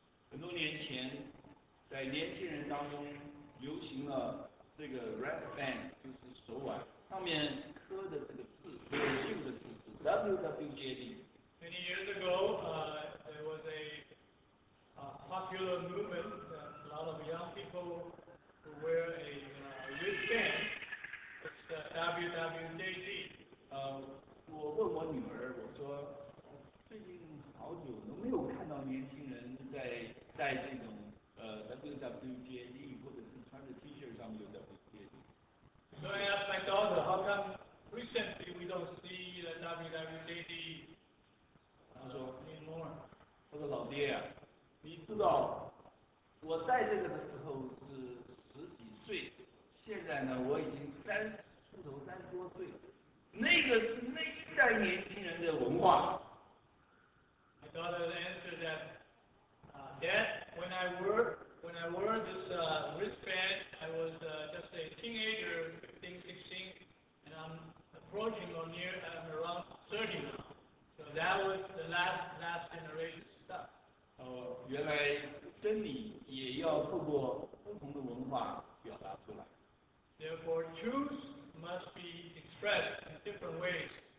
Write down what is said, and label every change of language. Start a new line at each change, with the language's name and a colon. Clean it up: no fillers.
Chinese: 很多年前，在年轻人当中流行了这个 rap band， 就是手腕上面刻的这个字，这个旧的字是 WWJD。
English: Many years ago, there was a popular movement that a lot of young people who wear a wristband. It's WWJD.
Chinese: 我问我女儿，我说最近好久都没有看到年轻人在。在这种WWJD 或者是穿着 T 恤上面有 WWJD。
English: So I asked my daughter, how come recently we don't see the WWJD anymore?
Chinese: 她说老爹啊，你知道我戴这个的时候是十几岁，现在呢我已经30出头，30多岁，那个是那一代年轻人的文化。
English: My daughter answered that. Dad, when I wore this wristband, I was just a teenager, 15, 16, and I'm approaching or near, I'm around 30 now. So that was the last generation stuff.
Chinese: 原来真理也要透过不同的文化表达出来。
English: Therefore, truth must be expressed in different ways.